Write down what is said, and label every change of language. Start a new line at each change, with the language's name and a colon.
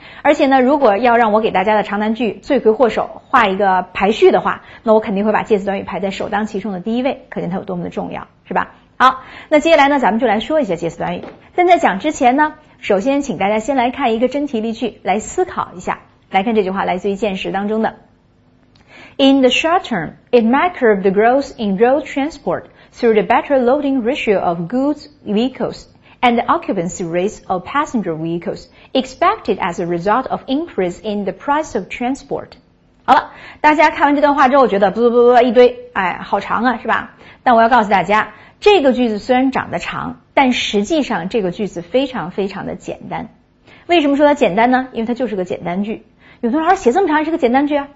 Chinese: 而且呢，如果要让我给大家的长难句罪魁祸首画一个排序的话，那我肯定会把介词短语排在首当其冲的第一位，可见它有多么的重要，是吧？好，那接下来呢，咱们就来说一下介词短语。但在讲之前呢，首先请大家先来看一个真题例句，来思考一下。来看这句话，来自于见识当中的
English: In the short term, it might curb the growth in road transportthrough the better loading ratio of goods vehicles and the occupancy rates of passenger vehicles expected as a result of increase in the price of transport.
Chinese: 好了，大家看完这段话之后觉得不不不不一堆，哎，好长啊，是吧？但我要告诉大家，这个句子虽然长得长，但实际上这个句子非常非常的简单。为什么说它简单呢？因为它就是个简单句。有的老师写这么长是个简单句啊？